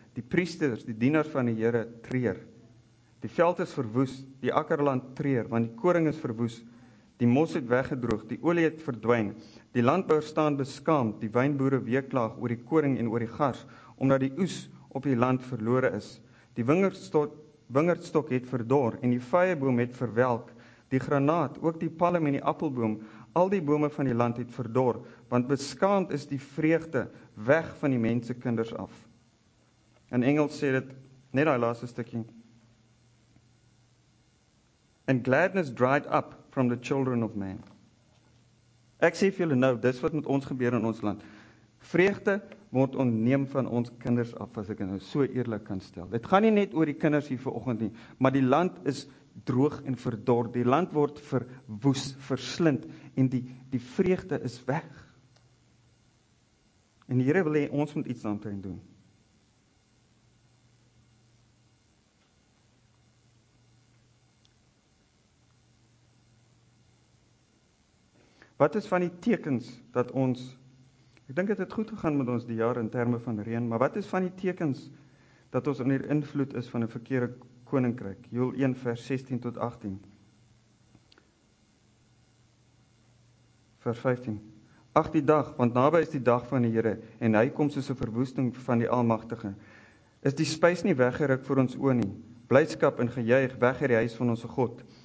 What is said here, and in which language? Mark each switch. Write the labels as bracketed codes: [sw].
[af] Die priesters, die dienaars van die Here treur. Die veld is verwoes, die akkerland treur, want die koring is verwoes. Die mos het weggedroog, die olie het verdwyn. Die landbouers staan beskaamd, die wynboere weeklaag oor die koring en oor die gars, omdat die oes op die land verlore is. Die wingerdstok het verdor en die vyeboom het verwelk. Die granaat, ook die palm en die appelboom, al die bome van die land het verdor, want beskaamd is die vreugde weg van die mense kinders af. In Engels sê dit net daai laaste stukkie. [en] And gladness dried up from the children of man. [af] Ek sê vir julle nou, dis wat met ons gebeur in ons land. Vreugde word ontneem van ons kinders af, as ek nou so eerlik kan stel. Dit gaan nie net oor die kinders hier vanoggend nie, maar die land is droog en verdor. Die land word verwoes, verslind en die vreugde is weg. En die Here wil hê ons moet iets daaraan doen. Wat is van die tekens dat ons, ek dink het het goed gegaan met ons die jaar in terme van reën, maar wat is van die tekens dat ons onder invloed is van 'n verkeerde koninkryk? Joel 1 vers 16 tot 18. Vers 15. Ag die dag, want naby is die dag van die Here en hy kom soos 'n verwoesting van die Almagtige. Is die spys nie weggeruk voor ons oë nie? Blydskap en gejuig weg uit die huis van ons God.